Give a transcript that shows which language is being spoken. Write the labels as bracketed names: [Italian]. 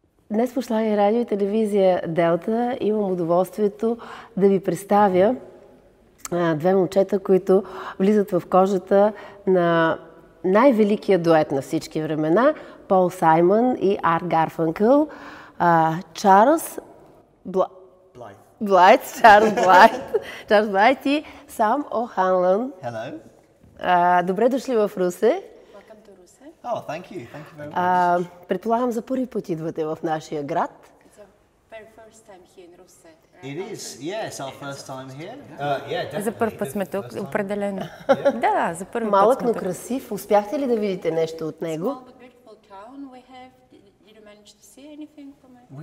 [Bulgarian] Днес по Шлагер радио и телевизия Делта имам удоволствието да ви представя две момчета, които влизат в кожата на най-великия дует на всички времена, Пол Саймън и Арт Гарфанкъл, Чарлз Блайт. Чарлз Блайт. Чарлз Блайт и Сам О'Ханлан. [English] Hello. [Bulgarian] Добре дошли в Русе. [English] Oh, thank you very much. [Bulgarian] Предполагам, за първи път идвате в нашия град. [English] It's our very first time here in Russia. Right? It is. Yes, our first time here. [Bulgarian] За първ път сме тук, определено. Да, за първ път. Малък, но красив. Успяхте ли да видите нещо от него? [English] Small, but beautiful town we have. Did you manage to see anything from it?